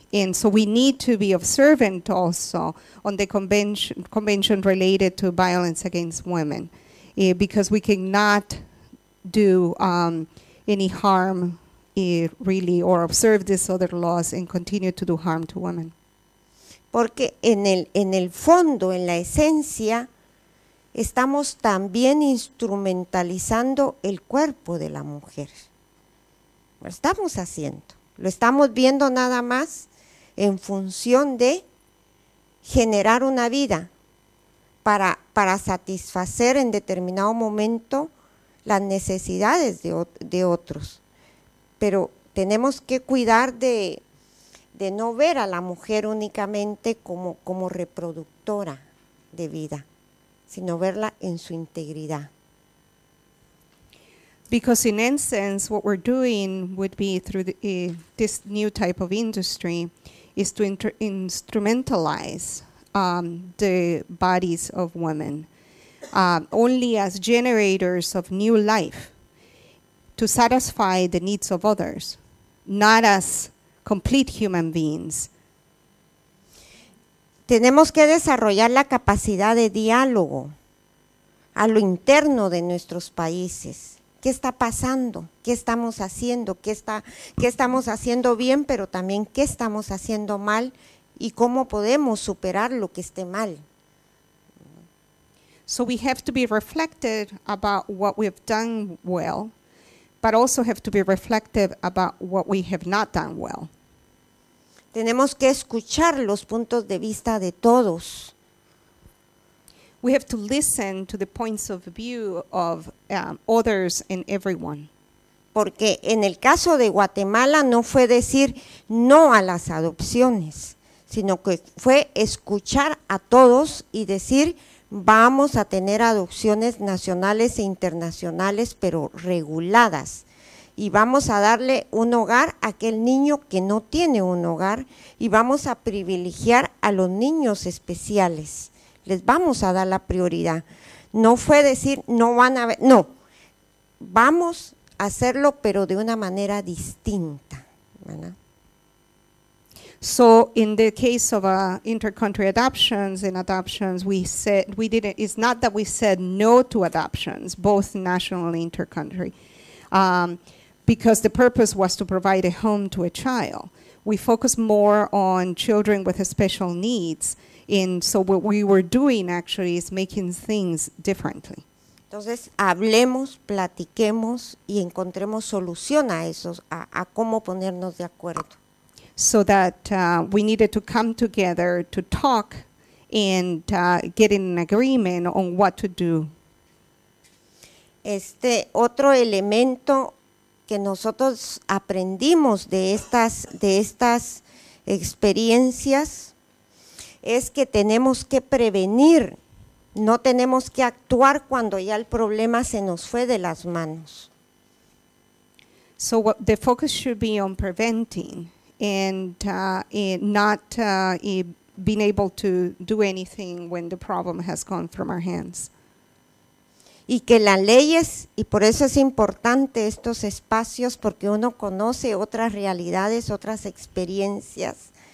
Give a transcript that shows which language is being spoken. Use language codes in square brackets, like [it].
[en] And so we need to be observant also on the convention related to violence against women, because we cannot do any harm really or observe these other laws and continue to do harm to women. [es] Porque en el fondo, en la esencia, estamos también instrumentalizando el cuerpo de la mujer. Lo estamos haciendo. Lo estamos viendo nada más en función de generar una vida para satisfacer en determinado momento las necesidades de otros. Pero tenemos que cuidar de no ver a la mujer únicamente como reproductora de vida, sino verla en su integridad. [en] Because in essence, what we're doing would be through this new type of industry is to instrumentalize the bodies of women only as generators of new life to satisfy the needs of others, not as complete human beings. [es] Tenemos que desarrollar la capacidad de diálogo a lo interno de nuestros países. ¿Qué está pasando? ¿Qué estamos haciendo? ¿Qué estamos haciendo bien, pero también qué estamos haciendo mal y cómo podemos superar lo que esté mal? [en] So we have to be reflected about what we've done well, but also have to be reflective about what we have not done well. [es] Tenemos que escuchar los puntos de vista de todos. [en] We have to listen to the points of view of others and everyone. [es] Porque en el caso de Guatemala no fue decir no a las adopciones, sino que fue escuchar a todos y decir vamos a tener adopciones nacionales e internacionales, pero reguladas. Y vamos a darle un hogar a aquel niño que no tiene un hogar y vamos a privilegiar a los niños especiales. Les vamos a dar la prioridad. No fue decir, no van a ver, no. Vamos a hacerlo, pero de una manera distinta. [en] So, in the case of inter-country adoptions, in adoptions, it's not that we said no to adoptions, both national and inter-country, because the purpose was to provide a home to a child. We focus more on children with special needs. And so what we were doing actually is making things differently. [es] Entonces, hablemos, platiquemos y encontremos solución a eso, a cómo ponernos de acuerdo. [en] So that we needed to come together to talk and get in agreement on what to do. [es] Este otro elemento que nosotros aprendimos de estas experiencias es que tenemos que prevenir, no tenemos que actuar cuando ya el problema se nos fue de las manos. [en] So the focus should be on preventing and not being able to do anything when the problem has gone from our hands. [es] Y que las leyes, y por eso es importante estos espacios, porque uno conoce otras realidades, otras experiencias.